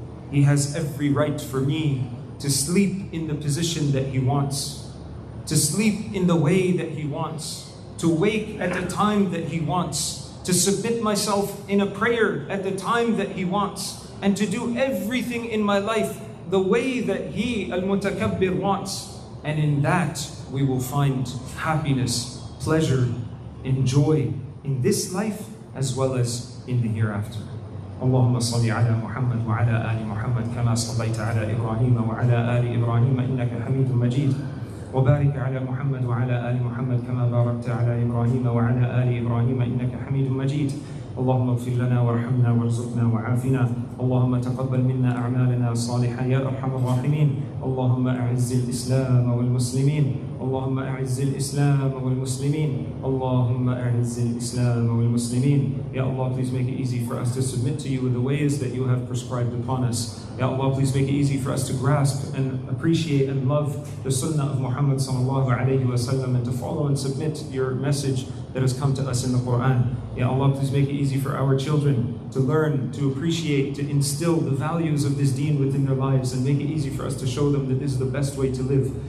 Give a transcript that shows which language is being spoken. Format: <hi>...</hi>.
<en>He has every right for me to sleep in the position that he wants, to sleep in the way that he wants, to wake at the time that he wants, to submit myself in a prayer at the time that he wants, and to do everything in my life the way that he, Al-Mutakabbir, wants. And in that, we will find happiness, pleasure, and joy in this life as well as in the hereafter.</en> <ar>اللهم صل على محمد وعلى آل محمد كما صليت على إبراهيم وعلى آل إبراهيم إنك حميد مجيد وبارك على محمد وعلى آل محمد كما باركت على إبراهيم وعلى آل إبراهيم إنك حميد مجيد اللهم اغفر لنا وارحمنا وارزقنا وعافنا اللهم تقبل منا أعمالنا الصالحة يا أرحم الراحمين اللهم أعز الإسلام والمسلمين اللهم أعز الإسلام والمسلمين اللهم أعز الإسلام والمسلمين يا الله</ar> <en>please make it easy for us to submit to you in the ways that you have prescribed upon us. يا الله please make it easy for us to grasp and appreciate and love the sunnah of Muhammad صلى الله عليه وسلم and to follow and submit your message that has come to us in the Quran. Ya Allah, please make it easy for our children to learn, to appreciate, to instill the values of this deen within their lives, and make it easy for us to show them that this is the best way to live.</en>